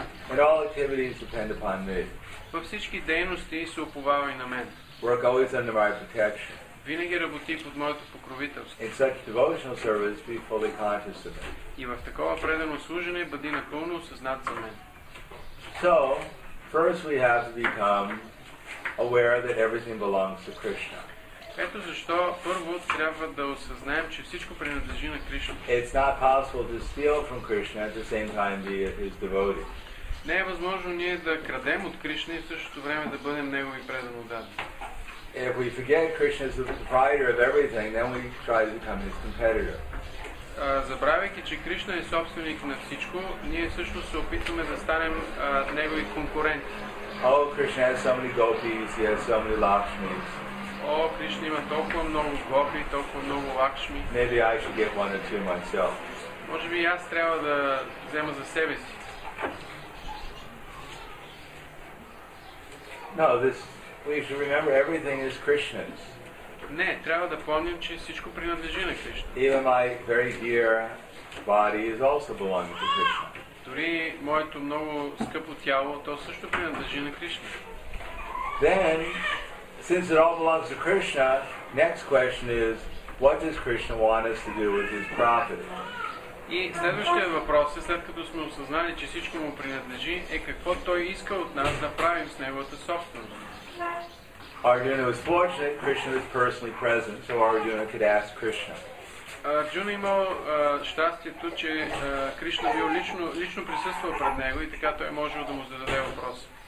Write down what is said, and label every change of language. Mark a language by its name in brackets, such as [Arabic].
[English] And all activities depend upon me. [Bulgarian] Във всички дейности се уповавай на мен. [English] Work always under my protection. [Bulgarian] Винаги работи под моето покровителство. [English] In such devotional service, be fully conscious of it. [Bulgarian] И в такова предано служене, бъди напълно осъзнат за мен. [English] So, first we have to become aware that everything belongs to Krishna. [Bulgarian] Ето защо първо трябва да осъзнаем, че всичко принадлежи на Кришна. [English] It's not possible to steal from Krishna at the same time be his devotee. [Bulgarian] Не е възможно ние да крадем от Кришна и в същото време да бъдем негови предан отдаден. [English] If we forget Krishna is the proprietor of everything, then we try to become his competitor. [Bulgarian] Забравяйки, че Кришна е собственик на всичко, ние също се опитваме да станем негови конкуренти. [English] Oh, Krishna has so many gopis, he has so many lakshmis. [Bulgarian] Oh, Krishna има толкова много гопи, толкова много лакшми. [English] Maybe I should get one or two myself. [Bulgarian] Може би аз трябва да взема за себе си. [English] No, this, we should remember everything is Krishna's. [Bulgarian] Не, трябва да помним, че всичко принадлежи на Кришна. [English] Even my very dear body is also belonging to Krishna. [Bulgarian] Дори моето много скъпо тяло, то също принадлежи на Кришна. [English] Then, since it all belongs to Krishna, next question is, what does Krishna want us to do with his property? [Bulgarian] И следващия въпрос е, след като сме осъзнали, че всичко му принадлежи, е какво той иска от нас да правим с неговата собственост. [English] Arjuna was fortunate, Krishna was personally present, so Arjuna could ask Krishna. [Bulgarian] Арджуна имал щастието, че Кришна бил лично присъствал пред него и така той е можел да му зададе въпрос.